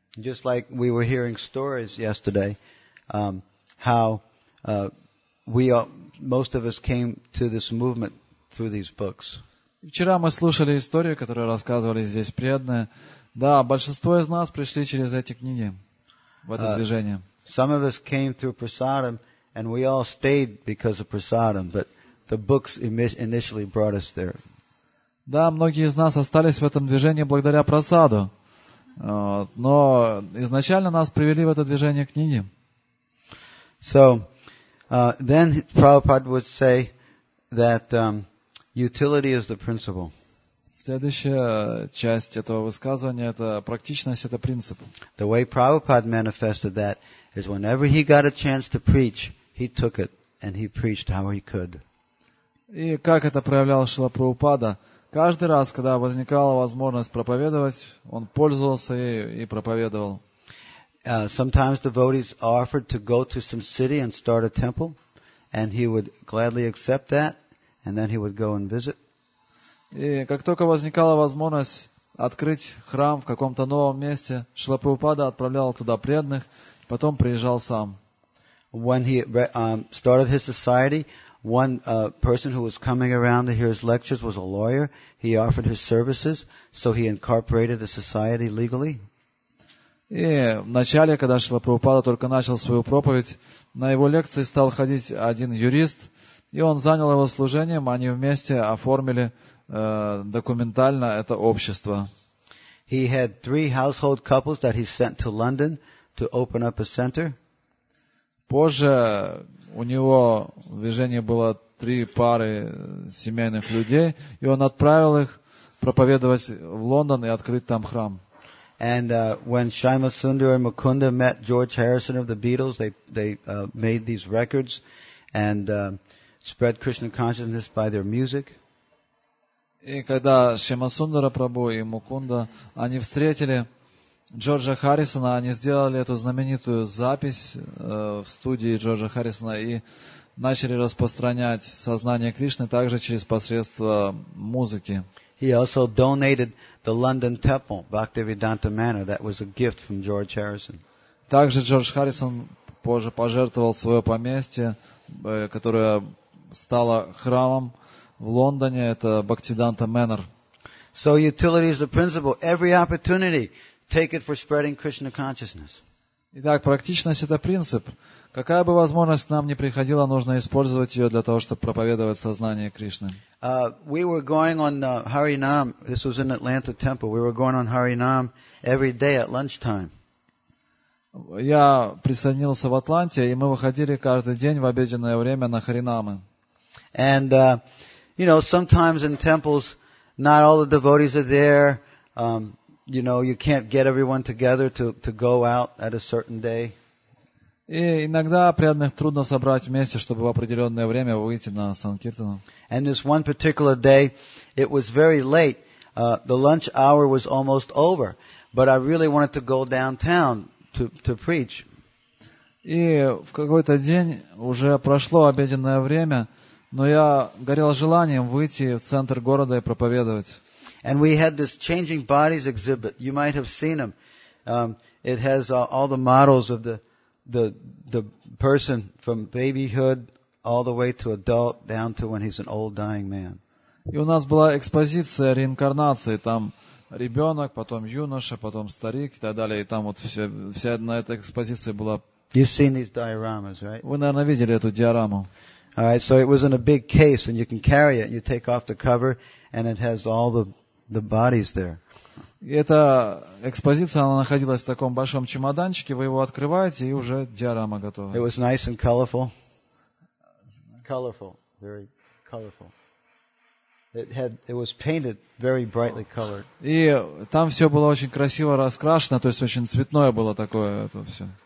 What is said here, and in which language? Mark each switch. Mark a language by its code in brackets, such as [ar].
[en] Just like we were hearing stories yesterday, how we all, most of us came to this movement through these books. [ru] Вчера мы слушали истории, которые рассказывали здесь преданные. Да, большинство из нас пришли через эти книги в это движение. [en] Some of us came through prasadam, and we all stayed because of prasadam, but the books initially brought us there. [ru] Да, многие из нас остались в этом движении благодаря просаду. Но изначально нас привели в это движение книги. [en] So, then Prabhupada would say that utility is the principle. [ru] Следующая часть этого высказывания — это практичность, это принцип. [en] The way Prabhupada manifested that is whenever he got a chance to preach, he took it and he preached how he could. [ru] И как это проявлял Шрила Прабхупада? Каждый раз, когда возникала возможность проповедовать, он пользовался ею и проповедовал. [en] Sometimes devotees offered to go to some city and start a temple, and he would gladly accept that, and then he would go and visit. [ru] И как только возникала возможность открыть храм в каком-то новом месте, Шрила Прабхупада отправлял туда преданных, потом приезжал сам. [en] When he started his society, one person who was coming around to hear his lectures was a lawyer. He offered his services, so he incorporated the society legally. [ru] И в начале, когда Шрила Прабхупада только начал свою проповедь, на его лекции стал ходить один юрист, и он занял его служением, они вместе оформили документально это общество. [en] He had three household couples that he sent to London to open up a center. [ru] Позже у него в движении было три пары семейных людей, и он отправил их проповедовать в Лондон и открыть там храм. [en] And when Shyama Sundar and Mukunda met George Harrison of the Beatles, they made these records and spread Krishna consciousness by their music. [ru] И когда Шьяма Сундара Прабху и Мукунда, они встретили Джорджа Харрисона, они сделали эту знаменитую запись в студии Джорджа Харрисона и начали распространять сознание Кришны также через посредство музыки. [en] He also donated the London temple, Bhaktivedanta Manor, that was a gift from George Harrison. [ru] Также Джордж Харрисон позже пожертвовал свое поместье, которое стало храмом в Лондоне, это Бхактивиданта Мэннер. [en] So utility is the principle. Every opportunity, take it for spreading Krishna consciousness. [ru] Итак, практичность — это принцип. Какая бы возможность к нам ни приходила, нужно использовать ее для того, чтобы проповедовать сознание Кришны. [en] We were going on Harinam. This was in Atlanta temple. We were going on Harinam every day at lunchtime. [ru] Я присоединился в Атланте, и мы выходили каждый день в обеденное время на Харинамы. [en] And you know, sometimes in temples, not all the devotees are there. You know, you can't get everyone together to go out at a certain day. [ru] И иногда преданных трудно собрать вместе, чтобы в определенное время выйти на санкиртану. [en] And this one particular day, it was very late. The lunch hour was almost over, but I really wanted to go downtown to preach. [ru] И в какой-то день уже прошло обеденное время. Но я горел желанием выйти в центр города и проповедовать. [en] And we had this changing bodies exhibit. You might have seen them. It has all the models of the person from babyhood all the way to adult down to when he's an old dying man. [ru] И у нас была экспозиция реинкарнации. Там ребенок, потом юноша, потом старик и так далее. И там вот вся на этой экспозиции была. [en] You've seen these dioramas, right? [ru] Вы, наверное, видели эту диораму. [en] All right, so it was in a big case, and you can carry it. You take off the cover, and it has all the bodies there. [ru] Эта экспозиция, она находилась в таком большом чемоданчике. Вы его открываете, и уже диорама готова. [en] It was nice and colorful. Colorful, very colorful. It was painted very brightly colored. [ru] И там все было очень красиво раскрашено, то есть очень цветное было такое это все.